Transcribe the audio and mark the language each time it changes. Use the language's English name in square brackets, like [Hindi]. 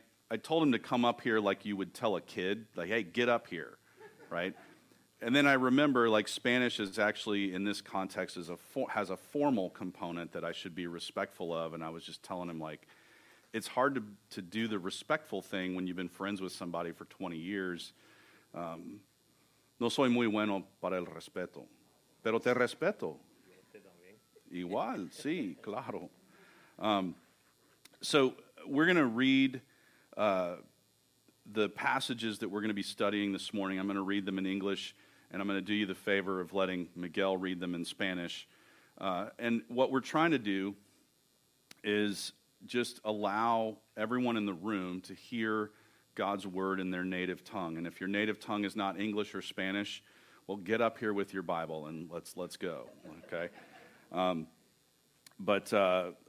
[English] I told him to come up here like you would tell a kid, like, hey, get up here, right? And then I remember, like, Spanish is actually, in this context, has a formal component that I should be respectful of, and I was just telling him, like, it's hard to do the respectful thing when you've been friends with somebody for 20 years. [Spanish] No soy muy bueno para el respeto, pero te respeto. Igual, sí, claro. [English] So we're going to read the passages that we're going to be studying this morning. I'm going to read them in English. And I'm going to do you the favor of letting Miguel read them in Spanish. And what we're trying to do is just allow everyone in the room to hear God's word in their native tongue. And if your native tongue is not English or Spanish, well, get up here with your Bible and let's go, okay?